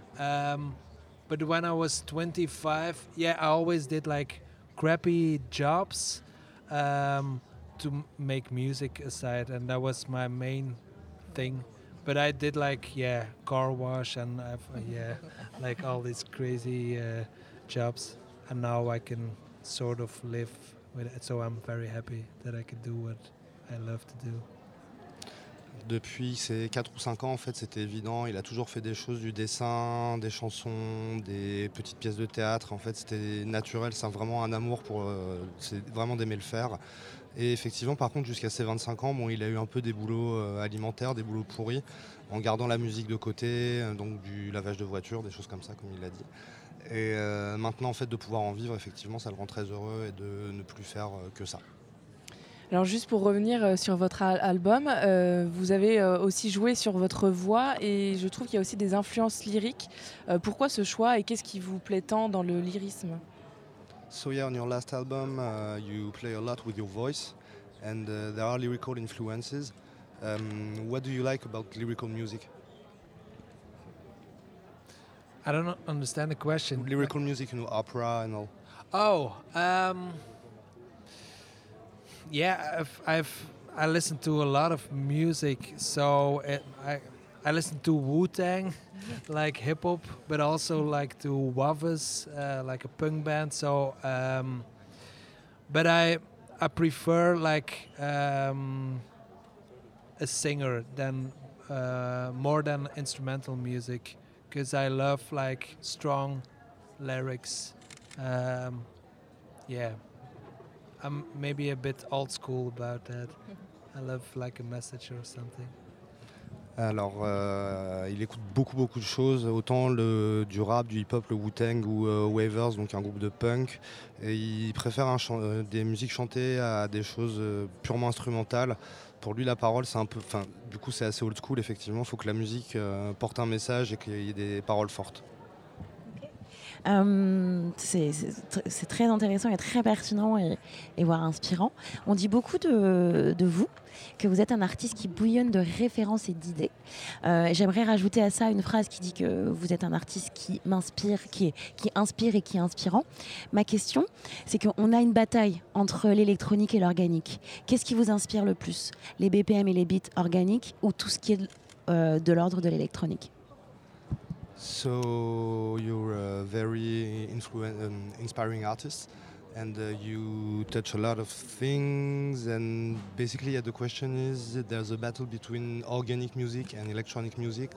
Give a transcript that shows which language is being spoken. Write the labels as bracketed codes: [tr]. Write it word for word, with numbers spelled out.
[en] Um, but when I was twenty-five, yeah, I always did like crappy jobs um, to m- make music aside, and that was my main thing. But I did like, yeah, car wash and I've, uh, yeah, like all these crazy uh, jobs. And now I can sort of live with it. So I'm very happy that I can do what I love to do. [fr] Depuis ses quatre ou cinq ans, en fait, c'était évident. Il a toujours fait des choses, du dessin, des chansons, des petites pièces de théâtre. En fait, c'était naturel. C'est vraiment un amour pour... Euh, c'est vraiment d'aimer le faire. Et effectivement, par contre, jusqu'à ses vingt-cinq ans, bon, il a eu un peu des boulots euh, alimentaires, des boulots pourris, en gardant la musique de côté, euh, donc du lavage de voiture, des choses comme ça, comme il l'a dit. Et euh, maintenant, en fait, de pouvoir en vivre, effectivement, ça le rend très heureux et de ne plus faire euh, que ça. Alors juste pour revenir euh, sur votre al- album, euh, vous avez euh, aussi joué sur votre voix et je trouve qu'il y a aussi des influences lyriques. Euh, pourquoi ce choix et qu'est-ce qui vous plaît tant dans le lyrisme? [en] So yeah, on your last album, uh, you play a lot with your voice and uh, there are lyrical influences. Um, what do you like about lyrical music? I don't understand the question. Lyrical music, you know, opera and all. Oh, um... Yeah, I've, I've I listen to a lot of music, so it, I I listen to Wu-Tang, like hip hop, but also like to Wavas, uh, like a punk band. So, um, but I I prefer like um, a singer than uh, more than instrumental music, because I love like strong lyrics. Um, yeah, I'm maybe a bit old school about that. I love like a message or something. [fr] Alors, euh, il écoute beaucoup, beaucoup de choses, autant le, du rap, du hip-hop, le Wu-Tang ou euh, Wavers, donc un groupe de punk. Et il préfère un chan- euh, des musiques chantées à des choses euh, purement instrumentales. Pour lui, la parole, c'est un peu, enfin, du coup, c'est assez old school, effectivement. Il faut que la musique euh, porte un message et qu'il y ait des paroles fortes. Euh, c'est, c'est, c'est très intéressant et très pertinent et, et voire inspirant. On dit beaucoup de, de vous, que vous êtes un artiste qui bouillonne de références et d'idées. Euh, j'aimerais rajouter à ça une phrase qui dit que vous êtes un artiste qui m'inspire, qui, est, qui inspire et qui est inspirant. Ma question, c'est qu'on a une bataille entre l'électronique et l'organique. Qu'est-ce qui vous inspire le plus ? Les B P M et les beats organiques ou tout ce qui est de, euh, de l'ordre de l'électronique ? [en] So you're a very influen- um, inspiring artist, and uh, you touch a lot of things. And basically, yeah, the question is: there's a battle between organic music and electronic music.